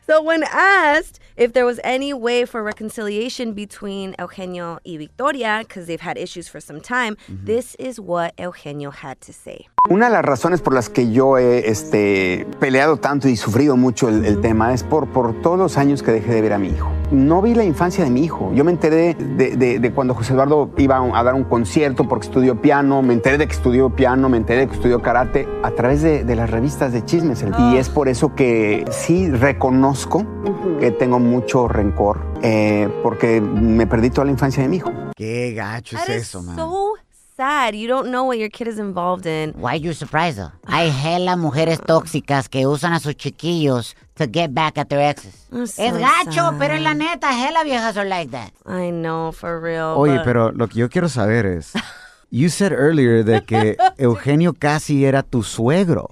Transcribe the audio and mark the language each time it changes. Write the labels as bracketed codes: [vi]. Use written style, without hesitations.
[en] So when asked if there was any way for reconciliation between Eugenio y Victoria, because they've had issues for some time, this is what Eugenio had to say. [es] Una de las razones por las que yo he peleado tanto y sufrido mucho el tema es por todos los años que dejé de ver a mi hijo. No vi la infancia de mi hijo. Yo me enteré de cuando José Eduardo iba a dar un concierto porque estudió piano. Me enteré de que estudió piano, me enteré de que estudió karate a través de las revistas de chismes. Y es por eso que sí reconozco que tengo mucho rencor porque me perdí toda la infancia de mi hijo. ¡Qué gacho es eso, man! [en] Sad. You don't know what your kid is involved in. Why are you surprised though? [es] Hay hella mujeres tóxicas que usan a sus chiquillos [en] to get back at their exes. So [es] es gacho, [en] sad. [es] Pero en la neta, hella viejas [en] are like that. I know, for real. [es] Oye, pero lo que yo quiero saber es, [en] you said earlier that [es] que Eugenio casi era tu suegro.